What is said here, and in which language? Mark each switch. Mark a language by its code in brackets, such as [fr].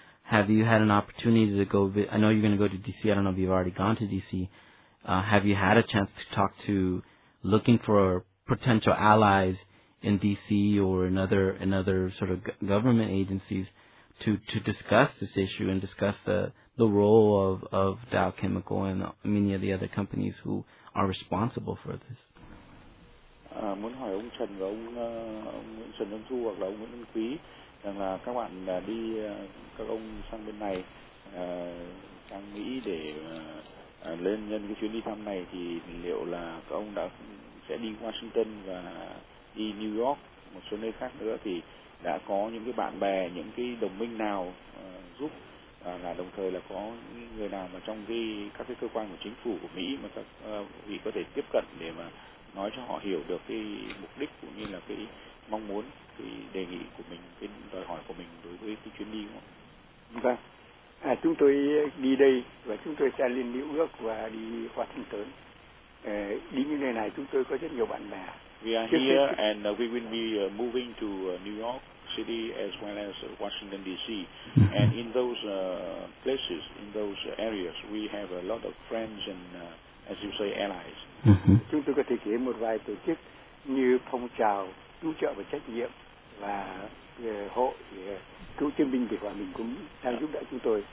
[en] Have you had an opportunity to go, I know you're going to go to D.C., I don't know if you've already gone to D.C., have you had a chance to talk to, looking for potential allies in D.C. or in other sort of government agencies to discuss this issue and discuss the role of Dow Chemical and many of the other companies who are responsible for this? [vi] Muốn hỏi ông Trần và ông Nguyễn Trần Đông Thu hoặc là ông Nguyễn Đông Quý rằng là các bạn đi các ông sang bên này sang Mỹ để lên nhân cái chuyến đi thăm này thì liệu là các ông đã sẽ đi Washington và đi New York một số nơi khác nữa thì đã có những cái bạn bè, những cái đồng minh nào giúp là đồng thời là có người nào mà trong cái các cái cơ quan của chính phủ của Mỹ mà các vị có thể tiếp cận để mà nói cho họ hiểu được cái mục đích cũng như là cái mong muốn, cái đề nghị của mình, cái đòi hỏi của mình đối với cái chuyến đi không? Vâng, chúng tôi đi đây và chúng tôi sẽ lên New York và đi Washington. Đi như thế này chúng tôi có rất nhiều bạn bè. [en] We are here and we will be moving to New York City as well as Washington D.C. and in those places, in those areas, we have a lot of friends and, as you say, allies. [vi] Chúng tôi có thể kể một vài tổ chức như phong trào cứu trợ và trách nhiệm và hội cứu chiến binh vì hòa bình cũng đang giúp đỡ chúng tôi.